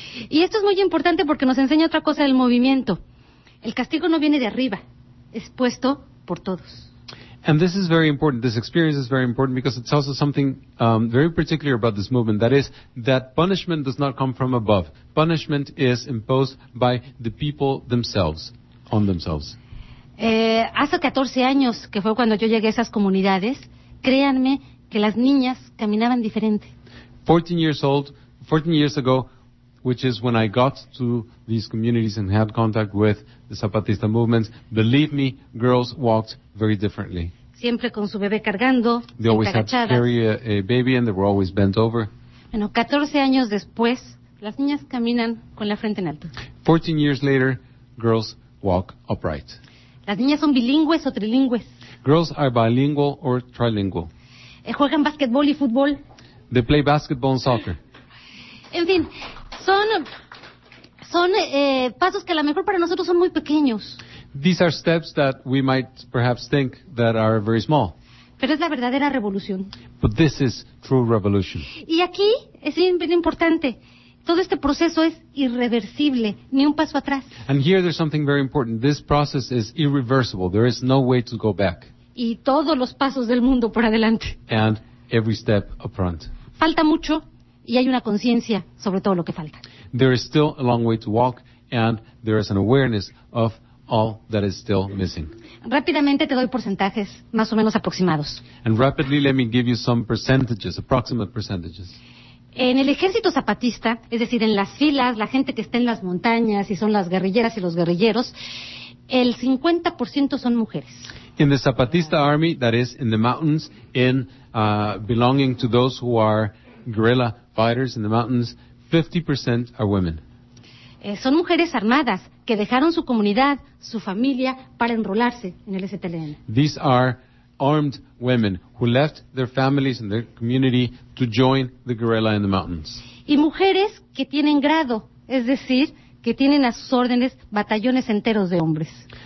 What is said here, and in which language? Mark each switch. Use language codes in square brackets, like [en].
[es] Y esto es muy importante porque nos enseña otra cosa del movimiento. El castigo no viene de arriba, es puesto por todos. [en] And this is very important. This experience is very important because it tells us something very particular about this movement. That is, that punishment does not come from above. Punishment is imposed by the people themselves, on themselves. [es] Hace 14 años, que fue cuando yo llegué a esas comunidades, créanme que las niñas caminaban diferente. [en] 14 years ago, which is when I got to these communities and had contact with the Zapatista movement, believe me, girls walked very differently. [es] Siempre con su bebé cargando. [en] They always had to carry a baby and they were always bent over. [es] Bueno, 14 años después, las niñas caminan con la frente en alto. [en] 14 years later, girls walk upright. [es] Las niñas son bilingües o trilingües. [en] Girls are bilingual or trilingual. [es] Juegan basketball y fútbol. [en] They play basketball and soccer. [es] En fin, son pasos que a lo mejor para nosotros son muy pequeños. [en] These are steps that we might perhaps think that are very small. [es] Pero es la verdadera revolución. [en] But this is true revolution. [es] Y aquí es bien importante. Todo este proceso es irreversible, ni un paso atrás. [en] And here there's something very important. This process is irreversible. There is no way to go back. [es] Y todos los pasos del mundo por adelante. [en] And every step up front. [es] Falta mucho. Y hay una conciencia sobre todo lo que falta. [en] There is still a long way to walk and there is an awareness of all that is still missing. [es] Rápidamente te doy porcentajes más o menos aproximados. [en] And rapidly let me give you some percentages, approximate percentages. [es] En el ejército zapatista, es decir, en las filas, la gente que está en las montañas y son las guerrilleras y los guerrilleros, el 50% son mujeres. [en] In the Zapatista army, that is in the mountains, in belonging to those who are guerrilla fighters in the mountains, 50% are women. [es] Son mujeres armadas que dejaron su comunidad, su familia, para enrolarse en el STLN. [en] These are armed women who left their families and their community to join the guerrilla in the mountains. [es] Y mujeres que tienen grado, es decir, que tienen a sus órdenes batallones enteros de hombres.